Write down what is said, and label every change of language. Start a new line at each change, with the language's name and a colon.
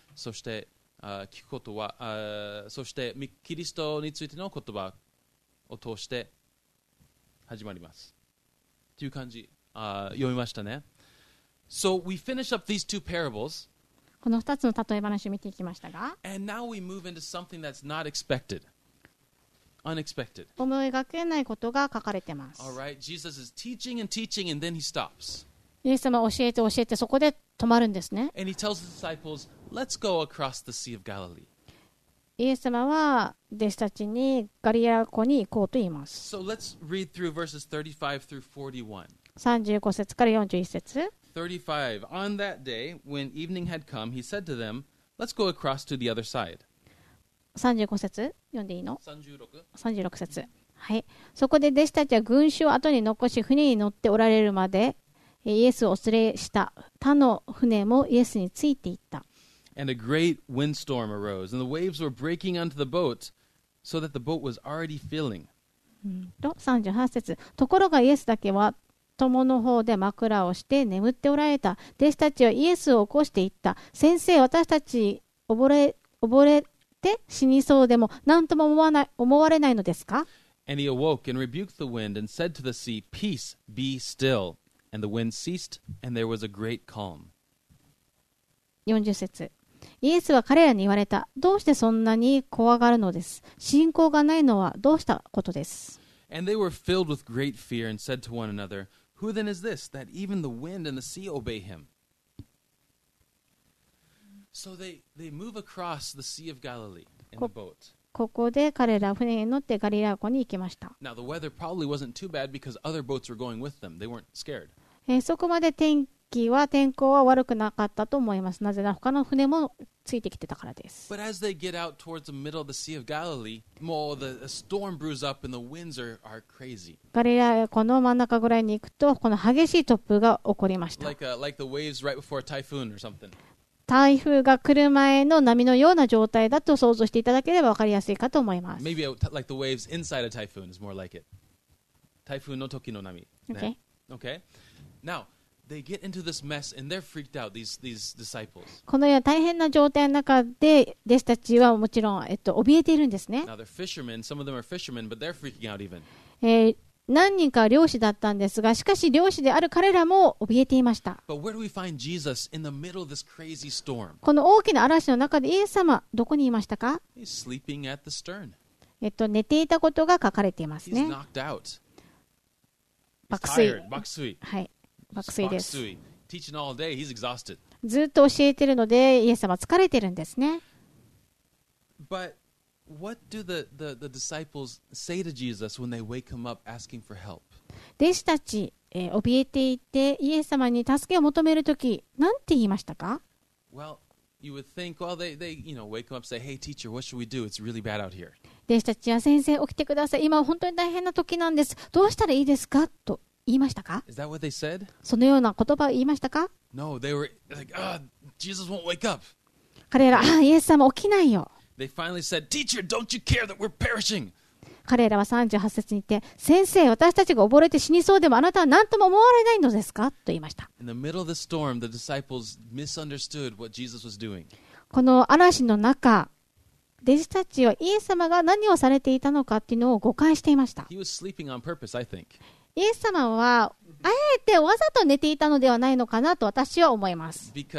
Japanese: そして聞くことはそしてキリストについての言葉を通して始まりますという感じ読みましたね。
English: So we finish up these two parables.
Japanese: この2つの例え話を見ていきましたが、
English: And now we move into something that's not expected. Unexpected.
Japanese: 思いがけないことが書かれてます。
English: All right. Jesus is teaching and teaching and then he stops.
Japanese: イエス様教えて教えてそこで止まるんですね。
English: And he tells the disciples, let's go across the Sea of Galilee.
Japanese: イエス様は弟子たちにガリラ湖に行こうと言います。
English: So let's read through verses 35
Japanese: 41. 35節から41節。
English: 35. On that day, when evening had come, he said to them, let's go across to the other side.
Japanese: 35節読んでいいの？ 36 節。はい。そこで弟子たちは群衆を後に残し船に乗っておられるまでイエスをお連れした他の船もイエスについていった。
English: And a great windstorm arose, and the waves were breaking onto the boat, so that the boat was already filling.
Japanese: 38節。ところがイエスだけは友の方で枕をして眠っておられた。弟子たちはイエスを起こして言った。先生、私たち溺れて死にそうでも何とも思われないのですか？
English: And he awoke and rebuked the wind and said to the sea, Peace, be still. And the wind ceased, and there was a great calm.
Japanese: 40節。イエスは彼らに言われた。どうしてそんなに怖がるのです。信仰がないのはどうしたことです。
English: And they were filled with great fear and said to one another, Who then is this, that even the wind and the sea obey him? So they move across the Sea of Galilee in the boat.
Japanese: ここで彼ら船に乗ってガリラ湖に行きました。
English: Now the weather probably wasn't too bad because other boats were going with them. They weren't scared.
Japanese: そこまで天候は悪くなかったと思います。なぜなら他の船もついてきてたからです。
English: But as they get out towards the middle of the Sea of Galilee, more the storm brews up and the winds are crazy.
Japanese: ガリラ湖の真ん中ぐらいに行くとこの激しい突風が起こりました。
English: like the waves right before a typhoon or something.
Japanese: 台風が来る前の波のような状態だと想像していただければ分かりやすいかと思います。
English: Maybe like the waves inside a typhoon is more like it.
Japanese: 台風の時の波、ね、
English: Okay. Now,They get into this mess and they're freaked out, these disciples.
Japanese: このような大変な状態の中で弟子たちはもちろん、怯えているんですね。
English: Now they're fishermen. Some of them are fishermen, but they're freaking out even.
Japanese: 何人か漁師だったんですが、しかし漁師である彼らも怯えていました。
English: But where do we find Jesus in the middle of this crazy storm?
Japanese: この大きな嵐の中でイエス様、どこにいましたか？
English: He's sleeping at the stern.
Japanese: 寝ていたことが書かれていますね。
English: He's knocked out. He's tired.
Japanese: 爆睡。はい。爆睡です。
English: Teaching all day, he's exhausted.
Japanese: ずっと教えているのでイエス様疲れているんですね。
English: But what do the disciples say to Jesus when they wake him up asking for help?
Japanese: 弟子たち、怯えていてイエス様に助けを求めるとき、なんて言いましたか？
English: Well, you would think, well, they you know, wake him up, say, hey, teacher, what should we do? It's really bad out here.
Japanese: 弟子たちは先生起きてください。今は本当に大変な時なんです。どうしたらいいですか？と。言いましたか？
English: Is that what they said?
Japanese: そのような言葉を言いましたか？
English: No, they were like, Jesus won't wake up.
Japanese: 彼ら、イエス様起きないよ。
English: They finally said, Teacher, don't you care that we're perishing?
Japanese: 彼らは38節に言って、先生、私たちが溺れて死にそうでもあなたは何とも思われないのですか？と言いました。
English: In the middle of the storm, the disciples misunderstood what Jesus was doing.
Japanese: この嵐の中、弟子たちはイエス様が何をされていたのかっていうのを誤解していました。
English: He was sleeping on purpose, I think.
Japanese: イエス様はあえてわざと寝ていたのではないのかなと私は思います。